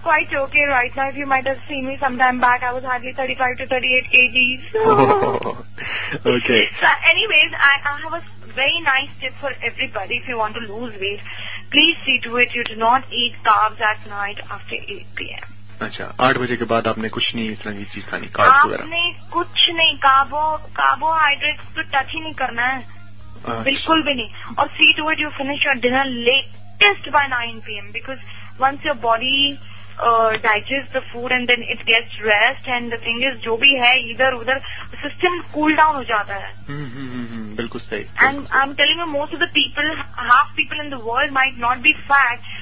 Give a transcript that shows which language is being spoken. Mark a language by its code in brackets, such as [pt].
[en] quite okay right now. If you might have seen me sometime back, I was hardly 35 to 38 kgs. Okay. So anyways, I have a very nice tip for everybody. If you want to lose weight, please see to it you do not eat carbs at night after 8 p.m. [hi] अच्छा 8 बजे के बाद आपने कुछ नहीं इस तरह की चीज खानी कार्ब्स वगैरह आपने कुछ नहीं कार्बोहाइड्रेट्स तो टच ही नहीं करना है बिल्कुल भी नहीं और [en] see to it you finish your dinner late. Just by 9 p.m. because once your body digests the food and then it gets rest and the thing is [hi] jo bhi hai idhar udhar system [en] cool down [hi] ho jata hai. Bilkul sahi. [en] And I'm telling you, most of the people, half people in the world might not be fat.